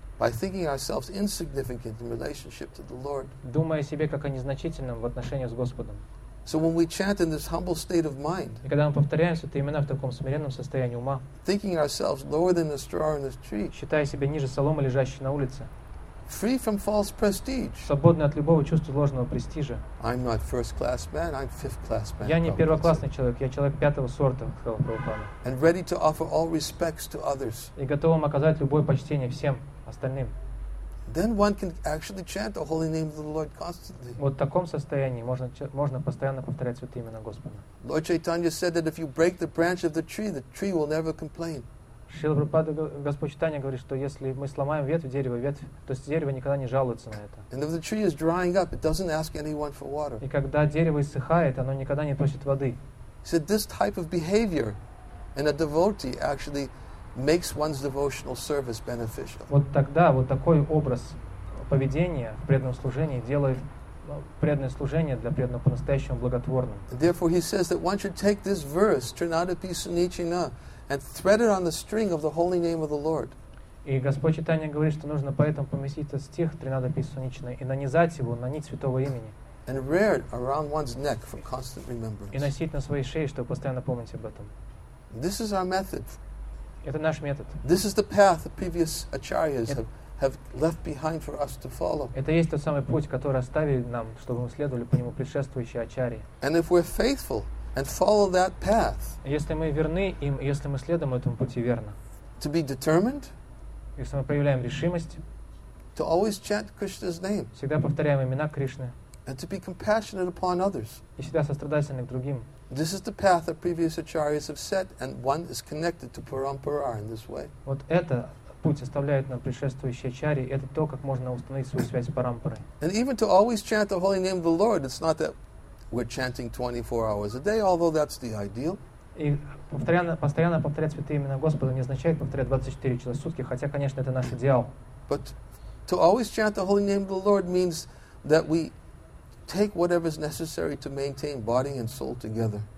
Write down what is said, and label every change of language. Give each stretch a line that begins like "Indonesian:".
English: By thinking ourselves insignificant in relationship to the Lord.
Russian: Думая о себе как о незначительном в отношении с Господом.
English: So when we chant in this humble state of mind.
Russian: И когда мы повторяем святые имена в таком смиренном состоянии ума.
English: Thinking ourselves lower than the straw in the street.
Russian: Считая себя ниже соломы, лежащей на улице.
English: Free from false prestige.
Russian: Свободны от любого чувства ложного престижа.
English: I'm not first class man, I'm fifth class man.
Russian: Я не первоклассный человек, я человек пятого сорта, сказал Прабхупада.
English: And ready to offer all respects to others.
Russian: И готовым оказать любое почтение всем. Остальным.
English: Then one can actually chant the holy name of the Lord constantly.
Russian: Вот в таком состоянии можно постоянно повторять святые имена Господа.
English: Lord Chaitanya said that if you break the branch of the tree will never complain.
Russian: Шрила Прабхупада, Господь Чайтанья говорит, что если мы сломаем ветвь, то есть дерево никогда не жалуется на это.
English: And if the tree is drying up, it doesn't ask anyone for water.
Russian: И когда дерево иссыхает, оно никогда не просит воды.
English: He said this type of behavior in a devotee actually makes one's devotional service beneficial.
Russian: Вот тогда вот такой образ поведения в преданном служении делает преданное служение для преданного по-настоящему благотворным.
English: Therefore, he says that one should take this verse, Trinada Pisunichina, and thread it on the string of the holy name of the Lord.
Russian: И Господь Чайтанья говорит, что нужно поэтому поместить этот стих Trinada Pisunichina и нанизать его на нить святого имени.
English: And wear it around one's neck for constant remembrance.
Russian: И носить на своей шее, чтобы постоянно помнить об этом.
English: This is our method.
Russian: Это наш метод.
English: This is the path the previous acharyas have have left behind for us to follow.
Russian: Это есть тот самый путь, который оставили нам, чтобы мы следовали по нему предшествующие ачарьи.
English: And if we're faithful and follow that path.
Russian: Если мы верны им, если мы следуем этому пути верно.
English: To be determined.
Russian: Если мы проявляем решимость.
English: To always chant Krishna's name.
Russian: Всегда повторяем имена Кришны.
English: And to be compassionate upon others.
Russian: И всегда сострадательны к другим.
English: This is the path that previous acharyas have set, and one is connected to Parampara in this way.
Russian: Вот это путь оставляет нам предшествующие ачарьи, это то, как можно установить свою связь с Парампарой.
English: And even to always chant the holy name of the Lord, it's not that we're chanting 24 hours a day, although that's the ideal.
Russian: И постоянно повторять святые имена Господа не означает повторять 24 часа в сутки, хотя, конечно, это наш идеал.
English: But to always chant the holy name of the Lord means that we take whatever is necessary to maintain body and soul together.